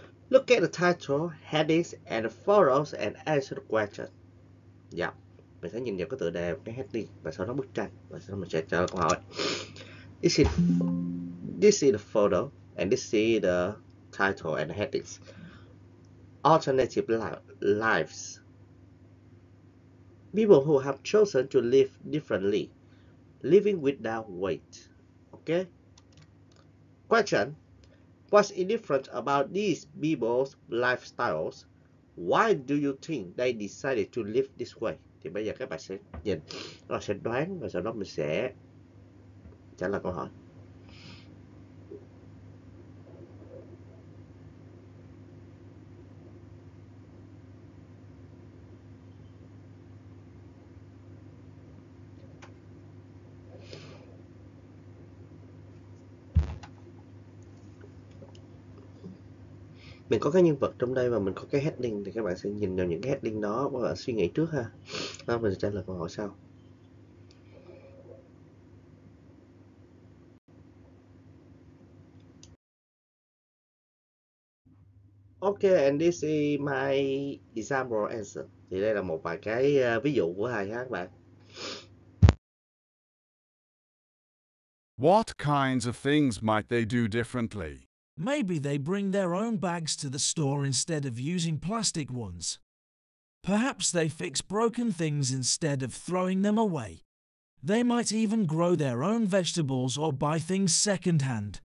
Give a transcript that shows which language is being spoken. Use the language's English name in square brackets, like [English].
[English] Look at the title, headings, and the photos and answer the question. Yeah. [Vietnamese] mình sẽ nhìn vào cái tựa đề, cái heading và sau đó bức tranh và sau đó mình sẽ trả lời câu hỏi. [English] This is the photo and this is the title and headings. Alternative lives. People who have chosen to live differently, living without weight. Okay. Question. What's different about these people's lifestyles? Why do you think they decided to live this way? [Vietnamese] Thì bây giờ các bạn sẽ nhìn, nó sẽ đoán và sau đó mình sẽ trả lời câu hỏi. Mình có cái nhân vật trong đây và mình có cái heading thì các bạn sẽ nhìn vào những cái heading đó và suy nghĩ trước ha. Sau mình sẽ trả lời câu hỏi sau. [English] Okay, and this is my example answer. [Vietnamese] Thì đây là một vài cái ví dụ của hai các bạn. [English] What kinds of things might they do differently? Maybe they bring their own bags to the store instead of using plastic ones. Perhaps they fix broken things instead of throwing them away. They might even grow their own vegetables or buy things secondhand.